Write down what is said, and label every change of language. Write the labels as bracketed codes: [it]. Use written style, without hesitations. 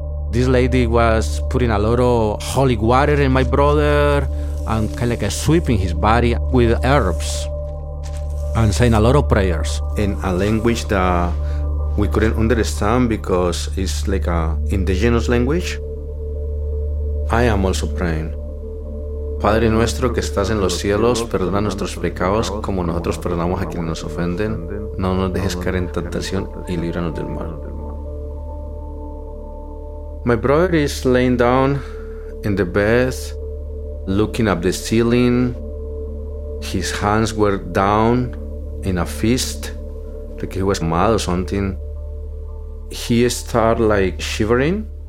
[en] This lady was putting a lot of holy water in my brother and kind of like sweeping his body with herbs and saying a lot of prayers. In a language that we couldn't understand because it's like an indigenous language. I am also praying. [es] Padre nuestro que estás en los cielos, perdona nuestros pecados como nosotros perdonamos a quienes nos ofenden. No nos dejes caer en tentación y líbranos del mal. [en] My brother is laying down in the bed, looking up the ceiling. His hands were down in a fist, like he was mad or something. He started like shivering.